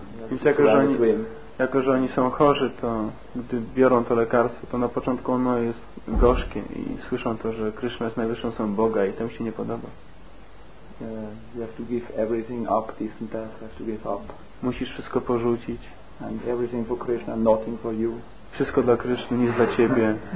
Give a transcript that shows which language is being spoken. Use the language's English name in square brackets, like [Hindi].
[Polish] Więc jako że oni są chorzy, to gdy biorą to lekarstwo, to na początku ono jest gorzkie i słyszą to, że Krishna jest najwyższą osobą Boga i to im się nie podoba. [English] You have to give everything up, this and that. You have to give up. [Polish] Musisz wszystko porzucić. [English] And everything for Krishna, nothing for you. [Polish] Wszystko dla Krishna, nic dla ciebie.